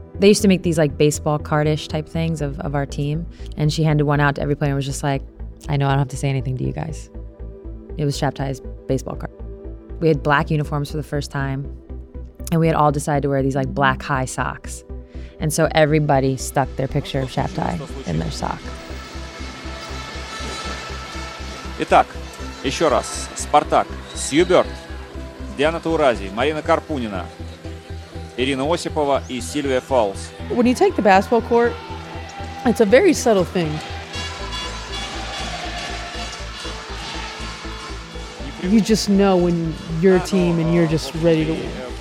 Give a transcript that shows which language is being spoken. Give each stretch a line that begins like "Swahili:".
English: They used to make these like baseball card-ish type things of our team, and she handed one out to every player and was just like, I know I don't have to say anything to you guys. It was Shabtai's baseball card. We had black uniforms for the first time, and we had all decided to wear these like black high socks. And so everybody stuck their picture of Shabtai in their sock.
Russian: Итак, еще раз, Спартак, Сью Бёрд, Диана Таурази, Марина Карпунина, Ирина Осипова и Сильвия Фолс.
English: When you take the basketball court, it's a very subtle thing. You just know when your team and you're just ready to win.